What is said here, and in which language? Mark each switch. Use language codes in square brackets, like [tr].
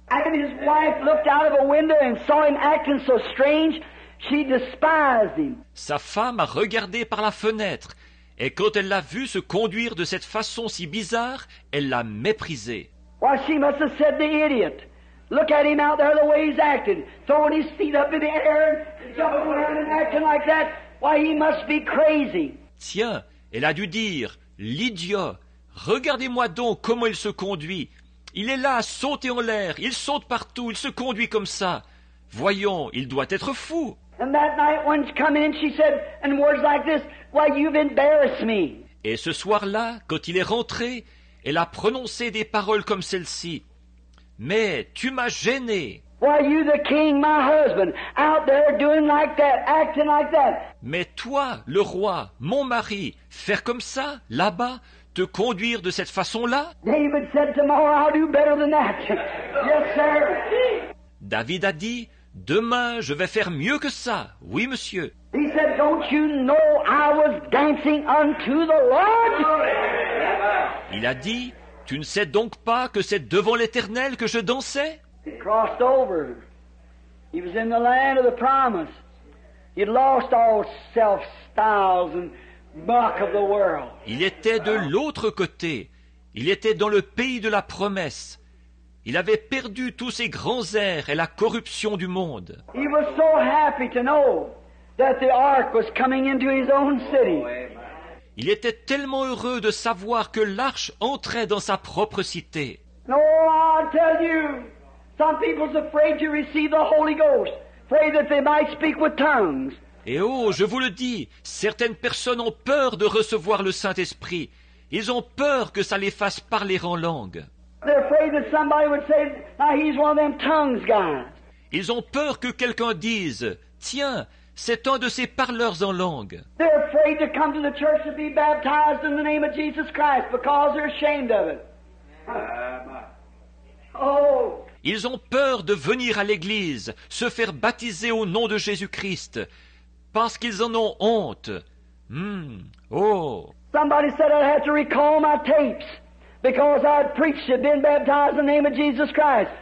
[en] And his wife looked out of a window and saw him acting so strange, she despised him. [fr] Sa femme a regardé par la fenêtre. Et quand elle l'a vu se conduire de cette façon si bizarre, elle l'a méprisé. [en] Why, she must have said the idiot. Look at him out there the way he's acting. Throwing his feet up in the air and jumping around and acting like that. Why, he must be crazy. [fr] Tiens, elle a dû dire, l'idiot, regardez-moi donc comment il se conduit. Il est là à sauter en l'air, il saute partout, il se conduit comme ça. Voyons, il doit être fou. [en] And that night when she came in, she said, in words like this, why, you've embarrassed me. [fr] Et ce soir-là, quand il est rentré, elle a prononcé des paroles comme celle-ci. Mais tu m'as gêné. [en] Why, you the king, my husband, out there doing like that, acting like that. [fr] Mais toi, le roi, mon mari, faire comme ça, là-bas, te conduire de cette façon-là. [en] David said, tomorrow I'll do better than that. Yes, sir. [fr] David a dit, demain, je vais faire mieux que ça. Oui, monsieur. [en] He said, don't you know I was dancing unto the Lord? [fr] Il a dit, tu ne sais donc pas que c'est devant l'Éternel que je dansais? [en] He crossed over. He was in the land of the promise. He had lost all self-styles and muck of the world. [fr] Il était de l'autre côté. Il était dans le pays de la promesse. Il avait perdu tous ses grands airs et la corruption du monde. [en] He was so happy to know that the ark was coming into his own city. [fr] Il était tellement heureux de savoir que l'arche entrait dans sa propre cité. [en] No, I'll tell you, some people's afraid to receive the Holy Ghost, afraid that they might speak with tongues. [fr] Et oh, je vous le dis, certaines personnes ont peur de recevoir le Saint-Esprit. Ils ont peur que ça les fasse parler en langue. [en] They're afraid that somebody would say, "Now he's one of them tongues guys." [fr] Ils ont peur que quelqu'un dise, "Tiens, c'est un de ces parleurs en langue." [en] They're afraid to come to the church and be baptized in the name of Jesus Christ because they're ashamed of it. Oh! [fr] Ils ont peur de venir à l'église, se faire baptiser au nom de Jésus-Christ, parce qu'ils en ont honte. Oh! [en] Somebody said I had to recall my tapes. Because I'd preached and been baptized in the name of Jesus Christ.